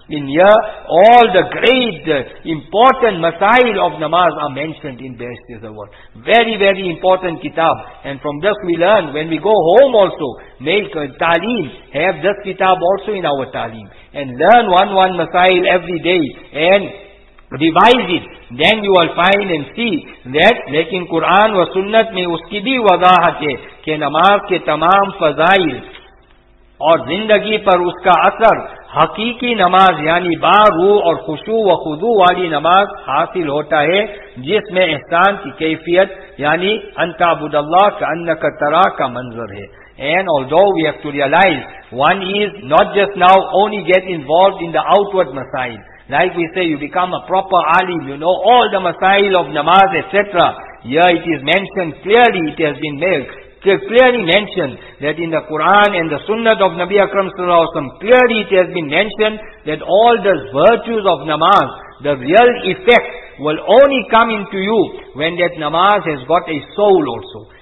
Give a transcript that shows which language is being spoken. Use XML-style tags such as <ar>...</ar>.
<en>In here, all the great, important masail of namaz are mentioned in Behesht e Zawar. Very, very important kitab. And from this we learn, when we go home also, make taaleem, have this kitab also in our taaleem. And learn one masail every day, and revise it. Then you will find and see that,</en> <ur>lekin Quran wa sunnat mein uski bhi wazahat hai, ke namaz ke tamam fazail, aur zindagi par uska asar, حقیقی نماز یعنی با روح اور خشوع و خضوع والی نماز حاصل ہوتا ہے جس میں احسان کی کیفیت یعنی انت عبد اللہ کانک ترا کا منظر ہے.</ur> <en>And although we have to realize, one is not just now only get involved in the outward masail. Like we say, you become a proper alim, you know all the masail of namaz, etc. Here it is mentioned clearly, it has been made. They clearly mentioned that in the Quran and the Sunnah of Nabi Akram Sallallahu Alaihi Wasallam, clearly it has been mentioned that all the virtues of namaz, the real effect will only come into you when that namaz has got a soul also.</en>